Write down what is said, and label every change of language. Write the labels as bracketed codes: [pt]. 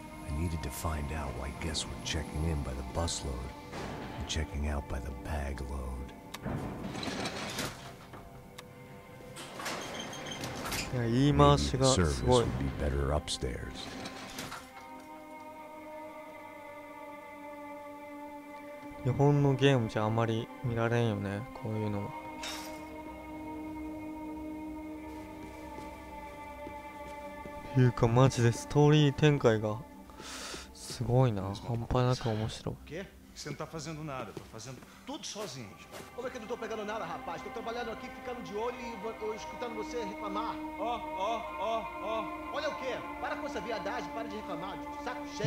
[en] I needed to find out why guests were checking in by the busload and checking out by the bagload. [ja] いや、言い回しがすごい。 [en] Be upstairs. [ja] 日本のゲームじゃあまり見られんよね、こういうのは。いうかマジでストーリー展開がすごいな、半端なく面白い。 [pt] Que? Você não tá fazendo nada, tô fazendo tudo sozinho. Como é que eu não tô pegando nada, rapaz? Tô trabalhando aqui, ficando de olho e vou escutando você reclamar. Olha o quê? Para com essa viadagem, para de reclamar, de saco cheio.